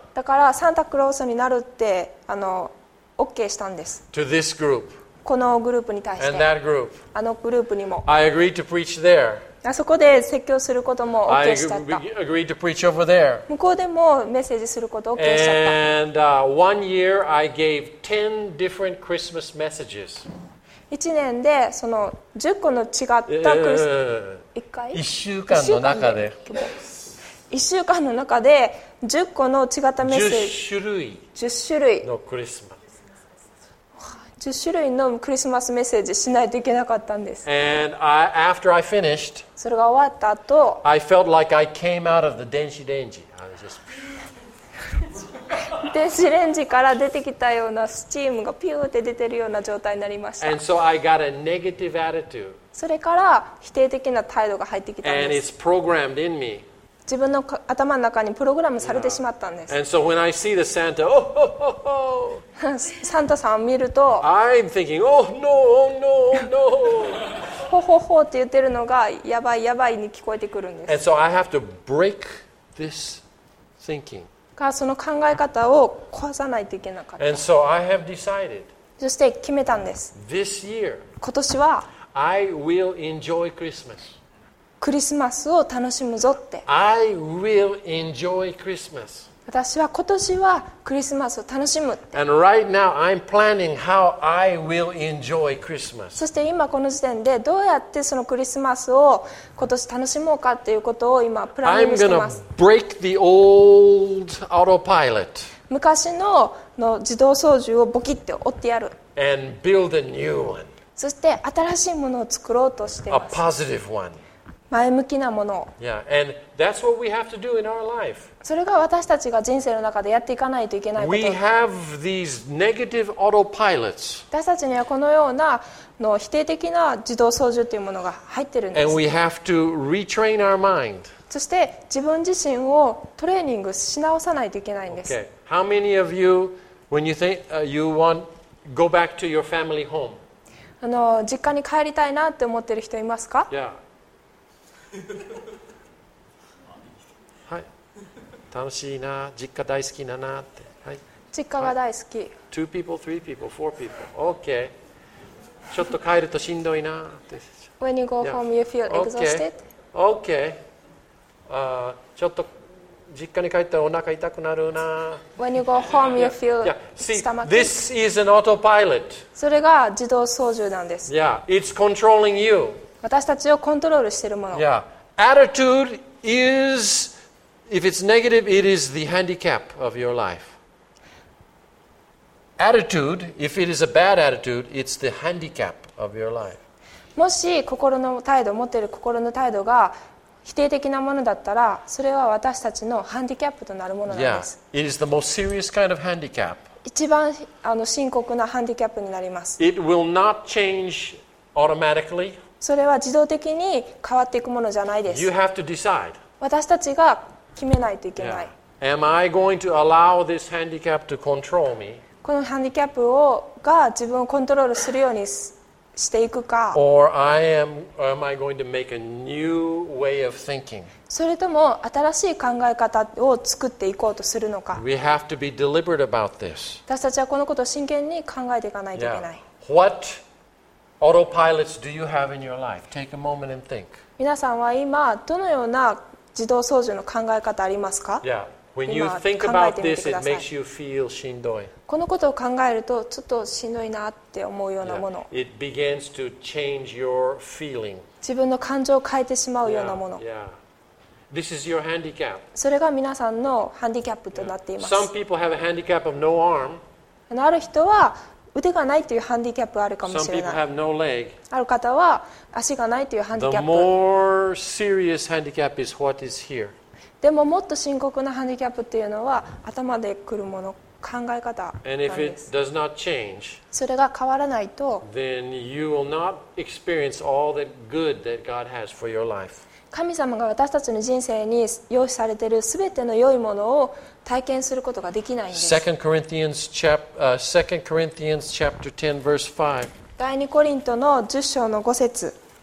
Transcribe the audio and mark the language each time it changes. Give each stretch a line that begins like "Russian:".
Japanese: だからサンタクロースになるって OK したんです。
English: To this group.
Japanese: このグループに対して。
English: And that group.
Japanese: あのグループにも。
English: I agreed to preach there.
Japanese: あそこで説教することも OK しちゃった。
English: I agreed to preach over there.
Japanese: 向こうでもメッセージすること OK しちゃった。
English: And one year I gave 10 different Christmas messages.
Japanese: 1年でその10個の違ったクリス、1 週間の中で。 1週間の中で10個の違ったメッセージ。 10種類のクリスマス。 10種類のクリスマスメッセージしないといけなかったんです。
English: And I, after I finished,
Japanese: それが終わった後、
English: I felt like I came out of the 電子レンジ。 I was just
Japanese: 電子レンジから出てきたようなスチームがピューって出てるような状態になりました。
English: And so I got a negative attitude.
Japanese: それから否定的な態度が入ってきたんです。
English: And it's programmed in me.
Japanese: 自分の頭の中にプログラムされてしまったんです。
English: Yeah. And so when I see the Santa, oh, oh, oh, oh.
Japanese: サンタさんを見ると、
English: I'm thinking, oh no, oh no, oh no.
Japanese: ほほほって言ってるのが、やばいやばいに聞こえてくるんです。
English: And so I have to break this thinking.
Japanese: かその考え方を壊さないといけなかった。
English: And so、I have decided,
Japanese: そして決めたんです。
English: This year,
Japanese: 今年は、
English: I will enjoy Christmas.
Japanese: クリスマスを楽しむぞって。
English: I will enjoy Christmas.
Japanese: 私は今年はクリスマスを楽しむって。
English: And right now, I'm planning how I will enjoy Christmas.
Japanese: そして今この時点でどうやってそのクリスマスを今年楽しもうかっていうことを今プランニングしています。
English: I'm gonna break the old autopilot.
Japanese: 昔の、の自動操縦をボキッて折ってやる。
English: And build a new one.
Japanese: そして新しいものを作ろうとしています
English: 。 A positive one.
Japanese: 前向きなものを。
English: Yeah. And that's what we have to do in our life.
Japanese: それが私たちが人生の中でやっていかないといけないこと。
English: We have these negative autopilots.
Japanese: 私たちにはこのようなの否定的な自動操縦というものが入っているんです。
English: And we have to retrain our mind.
Japanese: そして自分自身をトレーニングし直さないといけないんです。
English: Okay. How many of you, when you think you want to go back to your family home?
Japanese: あの実家に帰りたいなって思ってる人いますか？
English: Yeah.
Japanese: はい。楽しいな、実家大好きだなって、はい。実家が大好き。
English: Two people, three people, four people. Okay.
Japanese: ちょっと帰るとしんどいなって。
English: When you go home, you feel exhausted. Okay.
Japanese: ちょっと実家に帰ったらお腹痛くなるな。
English: When you go home, you feel stomach. This is an autopilot.
Japanese: それが自動操縦なんです。
English: Yeah, it's controlling you.
Japanese: 私たちをコントロールしているもの。
English: Yeah, attitude is, if it's negative, it is the handicap of your life. Attitude, if it is a bad attitude, it's the handicap of your life.
Japanese: もし心の態度、持っている心の態度が否定的なものだったら、それは私たちのハンディキャップとなるものなんです。
English: Yeah, it is the most serious kind of handicap.
Japanese: 一番あの深刻なハンディキャップになります。
English: It will not change automatically.
Japanese: それは自動的に変わっていくものじゃないです。
English: You have to decide.
Japanese: 私たちが決めないといけない。
English: Yeah. Am I going to allow this handicap to control me?
Japanese: このハンディキャップをが自分をコントロールするようにす。していくか、
English: Or am I going to make a new way of thinking?
Japanese: それとも新しい考え方を作っていこうとするのか。
English: We have to be deliberate about this.
Japanese: 私たちはこのことを真剣に考えていかないといけない。
English: Yeah. What autopilots do you have in your life? Take a moment and think.
Japanese: 皆さんは今どのような自動操縦の考え方ありますか。
English: Yeah. When you think about this, it makes you feel
Japanese: しんどい。このことを考えるとちょっとしんどいなって思うようなもの、
English: yeah. It begins to change your feeling.
Japanese: 自分の感情を変えてしまうようなもの、
English: yeah. This is your handicap.
Japanese: それが皆さんのハンディキャップとなっています、
English: yeah. Some people have a handicap of no arm.
Japanese: ある人は腕がないというハンディキャップがあるかもしれない。
English: Some people have no leg.
Japanese: ある方は足がないというハンディキャップ。
English: The more serious handicap is what is here.
Japanese: でももっと深刻なハンディキャップっていうのは頭で来るもの考え方なんです。
English: And if it does not change,
Japanese: それが変わらないと、
English: then you will not experience all the good that God has for your life.
Japanese: 神様が私たちの人生に用意されている全ての良いものを体験することができないんです。
English: 2 Corinthians chapter 10 verse 5.
Japanese: 第二コリントの10章の5節。